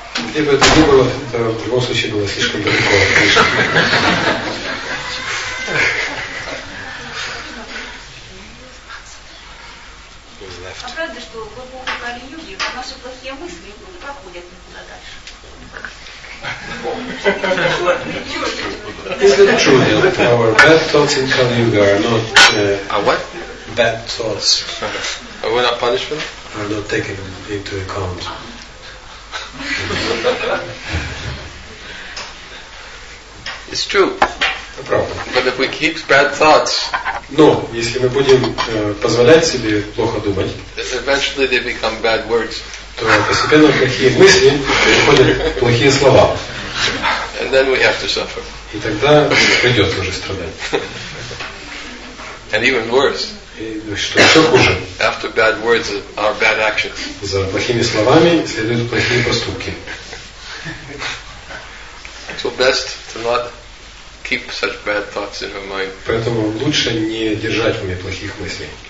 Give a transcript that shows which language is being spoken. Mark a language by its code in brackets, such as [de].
[ru] Где бы это ни было, это в любом случае было слишком далеко от Кришны. А правда, что в эпоху Кали-юги наши плохие мысли не проходят никуда дальше? [en] Is it true that our bad thoughts in Kali Yuga are not what? Bad thoughts. Are we not punished for them? Are not taken into account. It's true. No problem. But if we keep bad thoughts, [ru] no, если мы будем позволять себе плохо думать, [en] eventually they become bad words. [ru] То постепенно плохие мысли переходят в плохие слова. [en] And then we have to suffer. [ru] И тогда придется уже страдать. [en] And even worse. [ru] И что еще хуже? [en] After bad words are bad actions. [ru] За плохими словами следуют плохие поступки. [en] So best to not keep such bad thoughts in our mind. [ru] Поэтому лучше не держать в уме плохих мыслей.